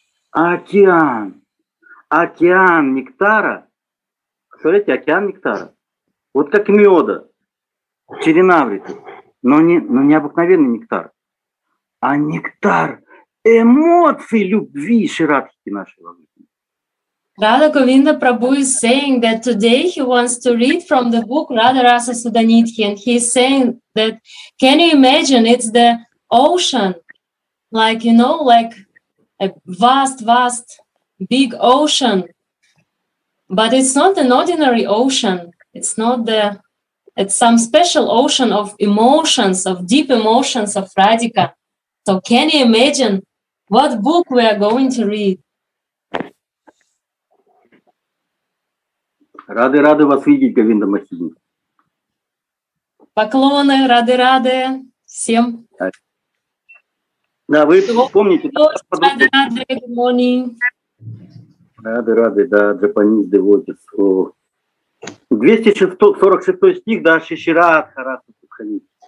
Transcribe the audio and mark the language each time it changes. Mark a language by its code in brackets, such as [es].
[ru] Океан. Океан нектара. Смотрите, океан нектара. Вот как меда. Черенаврита. Но необыкновенный нектар. А нектар эмоций любви Ширадхи нашего. [en] Radha Govinda Prabhu is saying that today he wants to read from the book Radha Rasa Sudhanidhi, and he's saying that, can you imagine, it's the ocean, like, you know, like a vast, vast, big ocean, but it's not an ordinary ocean, it's not the, it's some special ocean of emotions, of deep emotions of Radhika. So can you imagine what book we are going to read? [ru] Рады-рады вас видеть, Говинда Махини. Поклоны, рады-рады всем. Да, вы помните. Рады-рады, [en] good morning. [ru] Рады-рады, да, Джапанис Девотис. 246 стих, да, Шишрадха Раса Судханитхи.